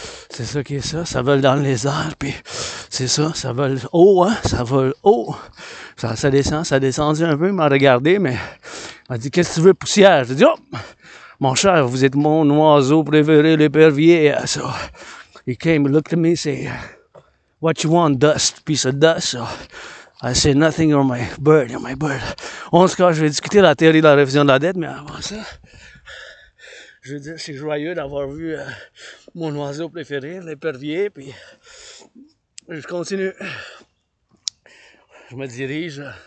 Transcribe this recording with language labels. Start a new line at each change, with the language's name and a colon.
French: C'est ça qui est ça, ça vole dans les airs, puis... C'est ça, ça vole haut, hein, ça vole haut. Ça descend un peu, il m'a regardé, mais... Il m'a dit, qu'est-ce que tu veux, poussière? J'ai dit, oh! Mon cher, vous êtes mon oiseau préféré, l'épervier, so...
English: He came, looked at me, say... What you want, dust, piece of dust, so... I say nothing, you're my bird.
French: En tout cas, je vais discuter de la théorie de la révision de la dette, mais avant ça, je veux dire, c'est joyeux d'avoir vu mon oiseau préféré, l'épervier, puis je continue. Je me dirige